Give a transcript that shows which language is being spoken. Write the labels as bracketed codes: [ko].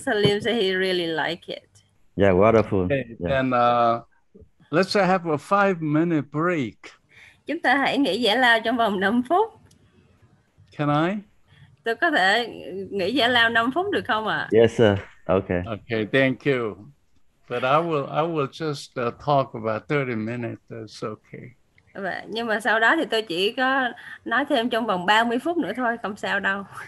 [en] Salim said he really like it. Yeah, wonderful. Okay, Yeah. let's have a 5 minute break. [vi] Chúng ta hãy nghỉ giải lao trong vòng 5 phút. [en] Can I? [vi] Tôi có thể nghỉ giải lao 5 phút được không ạ? [en] Yes, sir. Okay. Okay, thank you. But I will just talk about 30 minutes. That's okay. [vi] Và nhưng mà sau đó thì tôi chỉ có nói thêm trong vòng 30 phút nữa thôi, không sao đâu.